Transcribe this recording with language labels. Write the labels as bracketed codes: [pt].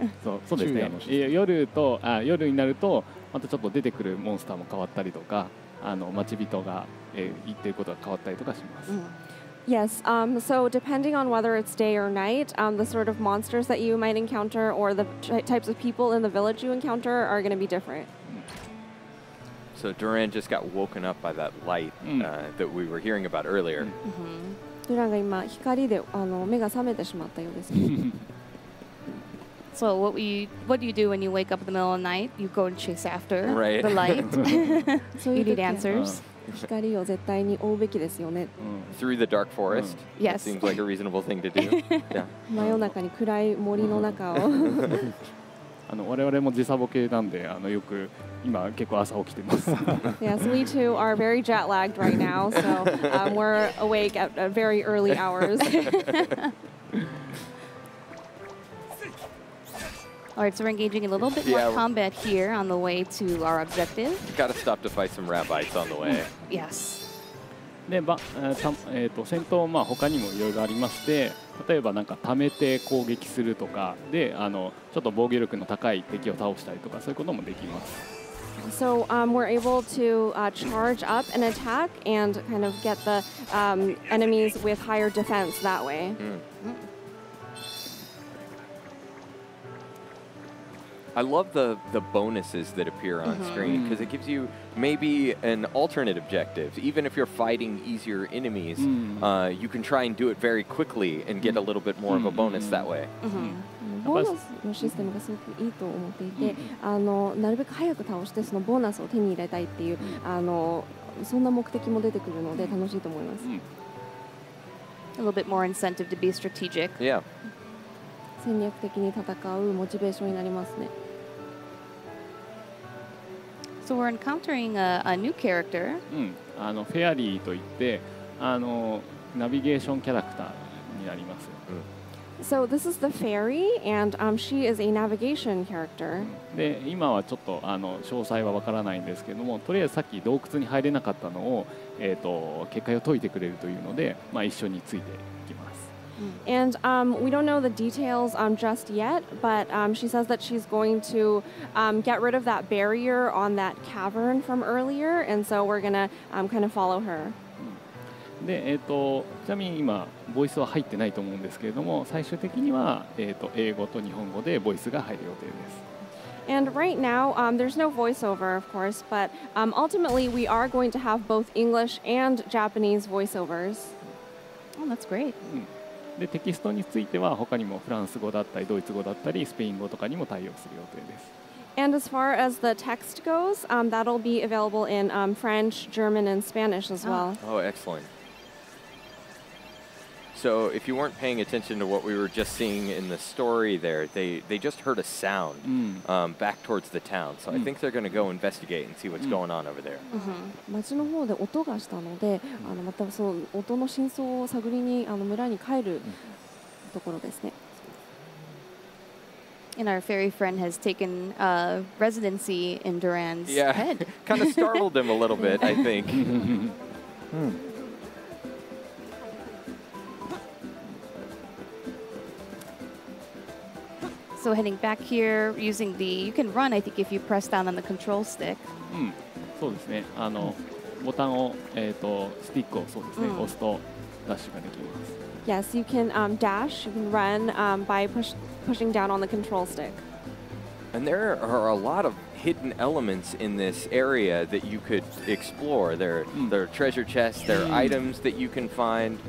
[ja] So, そうですね。夜と夜になるとまたちょっと出てくるモンスターも変わったりとか、町人が言ってることが変わったりとかします。 [en] Yes. So depending on whether it's day or night, the sort of monsters that you might encounter or the types of people in the village you encounter are going to be different. So Duran just got woken up by that light that we were hearing about earlier. [ja] Duran が今光で目が覚めてしまったようです。 [en] So what do you do when you wake up in the middle of the night? You go and chase after the light. So you need answers. [ja] 光を絶対に追うべきですよね。 [en] Through the dark forest. Yes. Seems like a reasonable thing to do. [ja] 真夜中に暗い森の中を。我々も時差ボケなんで、よく今結構朝起きてます。 [en] Yes, we too are very jet lagged right now, so we're awake at very early hours. All right, so we're engaging a little bit more combat here on the way to our objective. Gotta stop to fight some rabbits on the way. Yes. [ja] で、戦闘は他にもいろいろありまして、例えばなんか溜めて攻撃するとかで、ちょっと防御力の高い敵を倒したりとか、そういうこともできます。 [en] So, we're able to charge up an attack and kind of get the enemies with higher defense that way. Mm. I love the bonuses that appear on screen because it gives you maybe an alternate objective. Even if you're fighting easier enemies, you can try and do it very quickly and get a little bit more of a bonus that way. [ja] ボーナスのシステムがすごくいいと思っていて、あのなるべく早く倒してそのボーナスを手に入れたいっていう、あのそんな目的も出てくるので楽しいと思います。 [en] A little bit more incentive to be strategic. Yeah. [ja] 戦略的に戦うモチベーションになりますね。 [en] So we're encountering a new character. [ja] あのフェアリーといって、あのナビゲーションキャラクターになります。 [en] So this is the fairy, and she is a navigation character. [ja] で、今はちょっとあの詳細はわからないんですけども、とりあえずさっき洞窟に入れなかったのを、結界を解いてくれるというので、まあ、一緒についていきます。 [en] And we don't know the details just yet, but she says that she's going to get rid of that barrier on that cavern from earlier, and so we're gonna kind of follow her. [ja] で、ちなみに今ボイスは入ってないと思うんですけれども最終的には、英語と日本語でボイスが入る予定です。 [en] And right now, there's no voiceover, of course, but ultimately we are going to have both English and Japanese voiceovers. Oh, that's great. [ja] で、テキストについては他にもフランス語だったりドイツ語だったりスペイン語とかにも対応する予定です。 [en] And as far as the text goes, that'll be available in French, German, and Spanish as well. Oh, excellent. So if you weren't paying attention to what we were just seeing in the story there, they just heard a sound back towards the town. So I think they're going to go investigate and see what's going on over there. [ja] 街の方で音がしたので、あのまたその音の真相を探りにあの村に帰るところですね。 [en] And our fairy friend has taken residency in Duran's head. kind of startled him a little bit, I think. So heading back here using the you can run I think if you press down on the control stick. [ja] そうですね。あのボタンをスティックをそうですね。押すとダッシュができます。 [en] Yes, you can dash, you can run by pushing down on the control stick. And there are a lot of hidden elements in this area that you could explore. There are treasure chests, there are items that you can find.